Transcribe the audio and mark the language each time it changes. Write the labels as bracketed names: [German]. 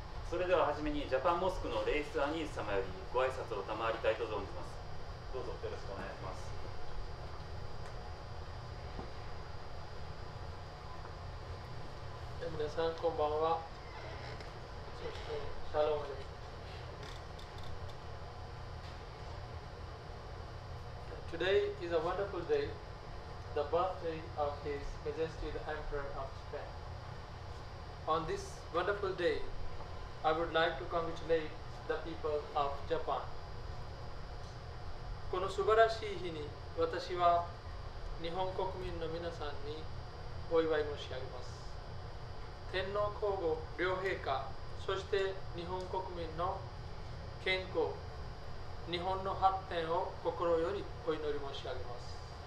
[Japanese] それでは初めにジャパンモスクの霊主アニース様よりご挨拶を賜りたいと存じます。どうぞよろしくお願いします。皆さんこんばんは。そしてシャロームです。 [English] Today is a wonderful day, the birthday of His Majesty the Emperor of Japan. On this wonderful day, I would like to congratulate the people of Japan. [Japanese] この素晴らしい日に、私は日本国民の皆さんにお祝い申し上げます。天皇皇后両陛下、そして日本国民の健康、日本の発展を心よりお祈り申し上げます。